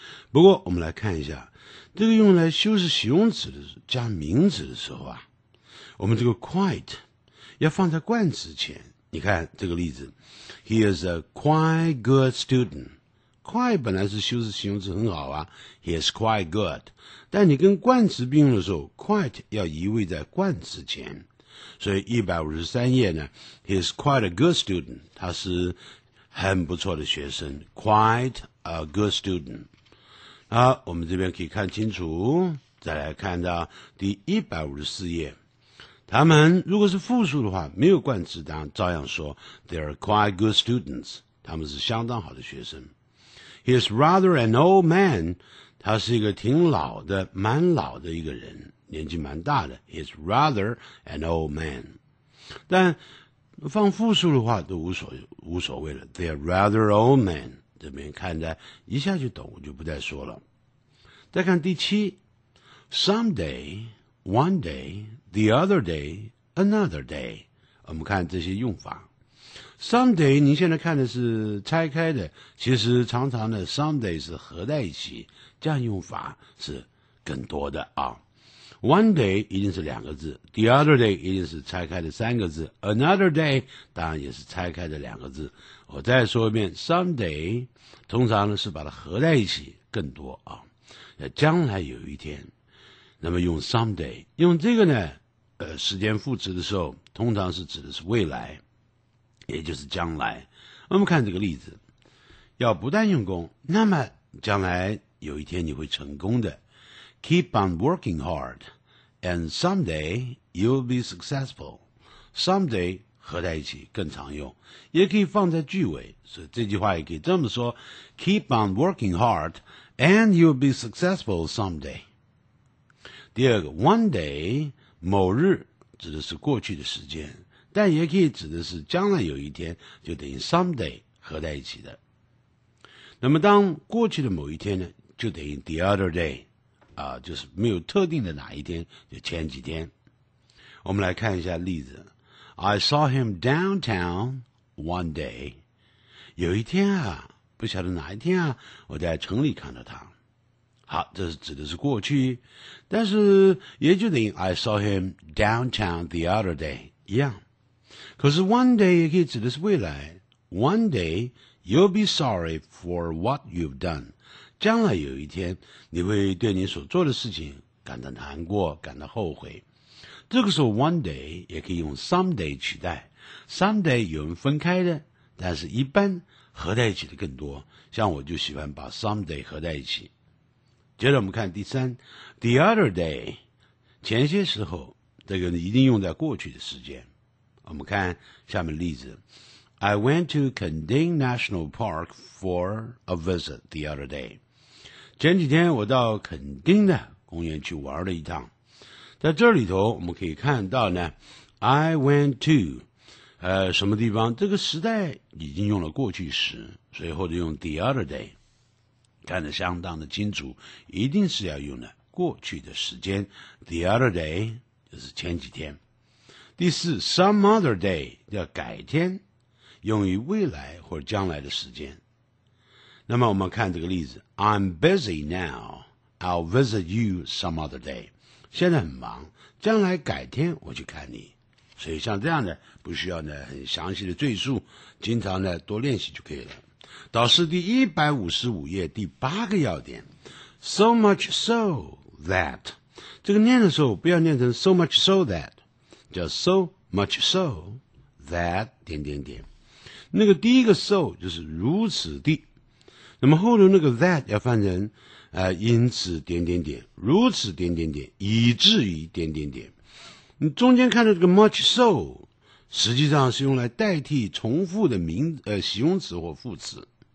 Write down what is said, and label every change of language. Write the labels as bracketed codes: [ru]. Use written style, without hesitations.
[zh] 不过我们来看一下这个用来修饰形容词的加名词的时候啊，我们这个 quite 要放在冠词前。你看这个例子 [en] He is a quite good student， [zh] quite 本来是修饰形容词很好啊， [en] He is quite good， [zh] 但你跟冠词并用的时候 quite 要移位在冠词前。所以153页呢 [en] He is quite a good student， [zh] 他是很不错的学生， quite a good student。好，我们这边可以看清楚，再来看到第154页，他们如果是复数的话没有冠词，当然照样说 [en] They are quite good students， [zh] 他们是相当好的学生。 [en] He is rather an old man， [zh] 他是一个挺老的蛮老的一个人，年纪蛮大的。 [en] He's rather an old man， [zh] 但放复数的话都无所谓了， [en] They're rather old man， [zh] 这边看着一下就懂，我就不再说了。再看第七， [en] someday, one day, the other day, another day. [zh] 我们看这些用法。 Someday, 您现在看的是拆开的，其实常常的 someday 是合在一起，这样用法是更多的啊。 One day 一定是两个字 ,the other day 一定是拆开的三个字 ,another day 当然也是拆开的两个字。我再说一遍 ,someday 通常呢是把它合在一起更多啊。将来有一天，那么用 someday, 用这个呢时间副词的时候通常是指的是未来，也就是将来。我们看这个例子，要不断用功，那么将来有一天你会成功的。 [en] Keep on working hard, and someday you'll be successful. [zh] Someday 合在一起更常用，也可以放在句尾，所以这句话也可以这么说 , [en] Keep on working hard, and you'll be successful someday. [zh] 第二个 ,one day, 某日指的是过去的时间，但也可以指的是将来有一天，就等于 someday 合在一起的。那么当过去的某一天呢，就等于 the other day,就是没有特定的哪一天，就前几天。我们来看一下例子。 [en] I saw him downtown one day. [zh] 有一天啊，不晓得哪一天啊，我在城里看到他。好，这是指的是过去，但是也就等于 [en] I saw him downtown the other day [zh] 一样。可是 one day 也可以指的是未来。 [en] One day you'll be sorry for what you've done. [zh] 将来有一天你会对你所做的事情感到难过，感到后悔。这个时候 one day 也可以用 someday 取代。someday 有人分开的，但是一般合在一起的更多，像我就喜欢把 someday 合在一起。接着我们看第三， the other day, 前些时候，这个一定用在过去的时间。我们看下面例子。 [en] I went to Kanding National Park for a visit the other day. [zh] 前几天我到肯丁的公园去玩了一趟。在这里头我们可以看到呢 ,I went to, 什么地方，这个时代已经用了过去时，随后就用 the other day, 看得相当的清楚，一定是要用的过去的时间 ,the other day, 就是前几天。第四 ,some other day, 叫改天。用于未来或将来的时间。那么我们看这个例子 [en] I'm busy now, I'll visit you some other day. [zh] 现在很忙，将来改天我去看你。所以像这样呢，不需要呢很详细的赘述，经常呢多练习就可以了。导师第155页第八个要点 So much so that, 这个念的时候不要念成 so much so that, 叫 so much so that, 点点点。那个第一个 so 就是如此地，那么后头那个 that 要换成因此点点点，如此点点点，以至于点点点。你中间看到这个 much so, 实际上是用来代替重复的名形容词或副词。